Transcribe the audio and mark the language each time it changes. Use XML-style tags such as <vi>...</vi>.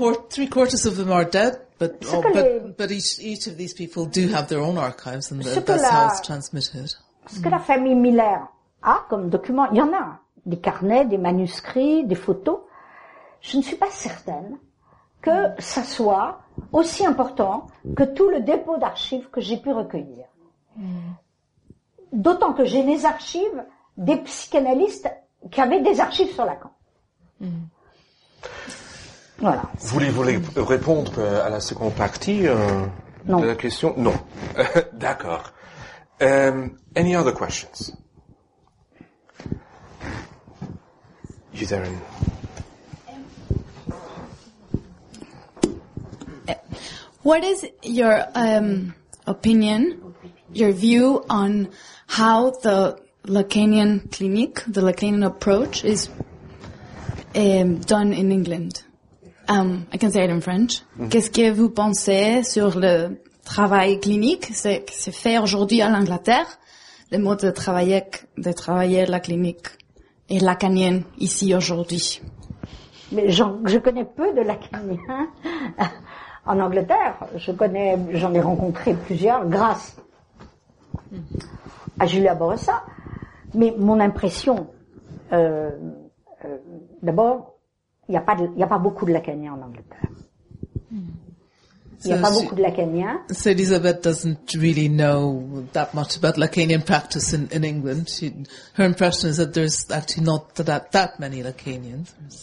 <en>Three quarters of them are dead, but each of these people do have their own archives, and that's how it's transmitted.</en> <fr>Ce que la famille Miller a comme document, il y en a des carnets, des manuscrits, des photos. Je ne suis pas certaine que ça soit aussi important que tout le dépôt d'archives que j'ai pu recueillir. D'autant que j'ai les archives des psychanalystes qui avaient des archives sur Lacan. Voilà. Voulez-vous répondre à la seconde partie de la question? Non. D'accord.</fr> <en>Any other questions? You there in... What is your opinion, your view on how the Lacanian clinic, the Lacanian approach, is done in England? I can say it in French. Mm-hmm.</en> <fr>Qu'est-ce que vous pensez sur le travail clinique, c'est fait aujourd'hui à l'Angleterre, le mode de travailler la clinique et lacanienne ici aujourd'hui? Mais je connais peu de lacaniens. En Angleterre, j'en ai rencontré plusieurs grâce à Julia Borossa. Mais mon impression, d'abord, il n'y a pas beaucoup de lacaniens en Angleterre.</fr> <en>So Elizabeth doesn't really know that much about Lacanian practice in England. Her impression is that there's actually not that many Lacanians.</en>